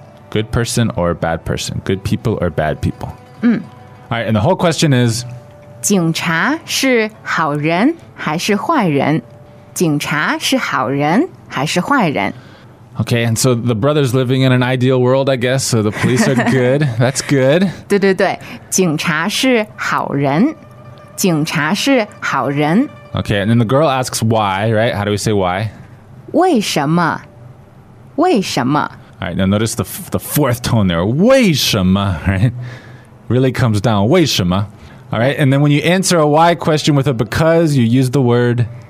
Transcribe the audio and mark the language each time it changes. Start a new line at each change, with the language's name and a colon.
English: Good person or bad person. Good people or bad people. Mm. All right, and the whole question is...
Chinese: 警察是好人还是坏人? 警察是好人还是坏人?
English: Okay, and so the brother's living in an ideal world, I guess, so the police are good. That's good.
Chinese: 对对对,警察是好人,警察是好人。
English: Okay, and then the girl asks why, right? How do we say why?
Chinese: 为什么?为什么?
English: All right, now notice the fourth tone there.
Chinese: 为什么?
English: Right? Really comes down, 为什么? All right, and then when you answer a why question with a because, you use the word